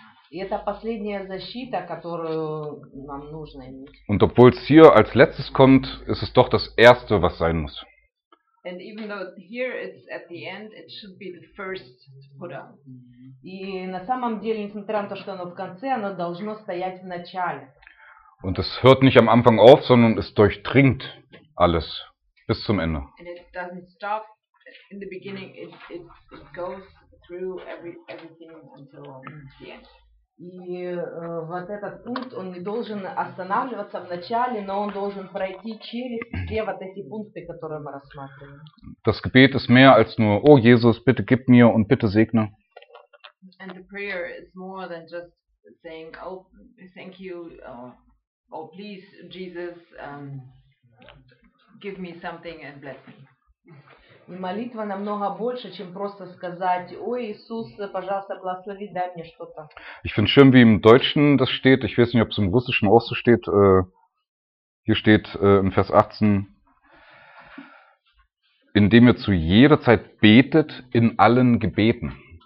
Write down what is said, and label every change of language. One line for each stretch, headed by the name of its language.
Russian: И это последняя защита, которую нам нужно иметь.
German: Und obwohl es hier als letztes kommt, ist es doch das erste, was sein muss.
English: And even though here it's at the end, it should be the first to put on.
Russian: И на самом деле, несмотря на то, что оно в конце, оно должно стоять в начале.
German: Und es hört nicht am Anfang auf, sondern es durchdringt alles bis zum Ende.
English: And it doesn't stop in the beginning, it goes through everything until the end.
Russian: И вот этот пункт, он не должен останавливаться в начале, но он должен пройти через все вот эти пункты, которые мы рассматриваем.
German: Das Gebet ist mehr als nur, oh Jesus, bitte gib mir und bitte segne.
English: And the prayer is more than just saying, oh, thank you, oh, please, Jesus, give me something and bless me.
Russian: И молитва намного больше, чем просто сказать: «Ой, Иисус, пожалуйста, благослови, дай мне что-то».
German: Ich finde schön, wie im Deutschen das steht. Ich weiß nicht, ob es im Russischen auch so steht. Hier steht im Vers 18: Indem ihr zu jeder Zeit betet in allen Gebeten.